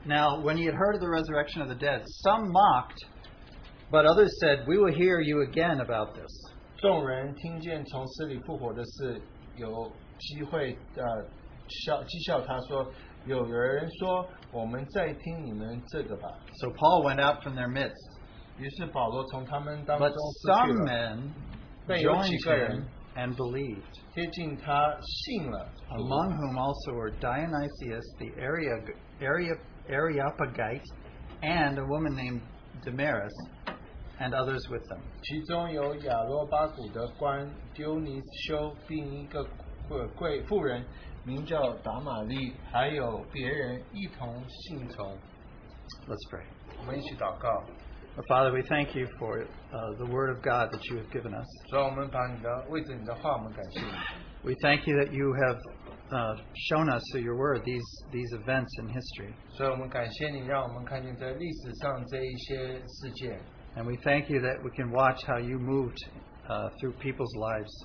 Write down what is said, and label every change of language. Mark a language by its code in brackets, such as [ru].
[en] Now when he had heard of the resurrection of the dead, some mocked, but others said, we will hear you again about this. [zh] 众人听见从死里复活的事，有机会讥笑他说，有人说，我们再听你们这个吧。 [en] So Paul went out from their midst. [zh] 于是保罗从他们当中出去了。 [en] But some men joined him and believed. [zh] 贴近他信了。 [en] Among whom also were Dionysius the Areopagite and a woman named Damaris and others with them. [zh] 其中有亚罗巴谷的官丢尼修并一个贵妇人名叫达玛丽，还有别人一同信从。 [en] Let's pray. [zh] 我们一起祷告。 [en] Our Father, we thank you for the word of God that you have given us. We thank you that you have shown us through your word these events in history. And we thank you that we can watch how you moved through people's lives.